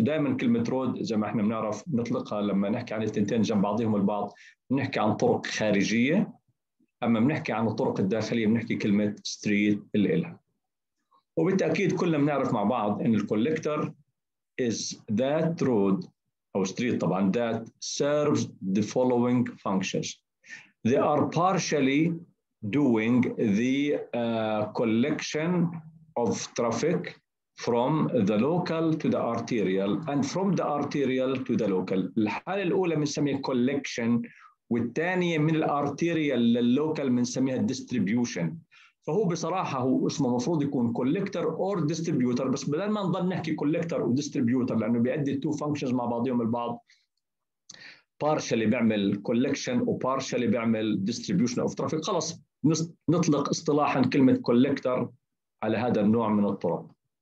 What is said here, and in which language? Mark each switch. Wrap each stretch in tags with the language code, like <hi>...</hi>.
<ar>ودائما كلمة road زي ما احنا بنعرف نطلقها لما نحكي عن التنتين جنب بعضهم البعض، بنحكي عن طرق خارجية. أما بنحكي عن الطرق الداخلية بنحكي كلمة street اللي إلها. وبالتأكيد كلنا بنعرف مع بعض إن الكوليكتر</ar> <en>is that road</en> <ar>أو street طبعاً</ar> <en>that serves the following functions. They are partially doing the collection of traffic from the local to the arterial and from the arterial to the local.</en> <ar>الحالة الأولى بنسميها collection، والثانية من الarterial لللocal بنسميها distribution. فهو بصراحة هو اسمه مفروض يكون</ar> <en>collector or distributor،</en> <ar>بس بدل ما نضل نحكي collector و distributor لأنه بيأدي two functions مع بعضهم البعض، partially بيعمل collection و partially بيعمل distribution of traffic، خلص نطلق اصطلاحا كلمة collector على هذا النوع من الطرق.</ar>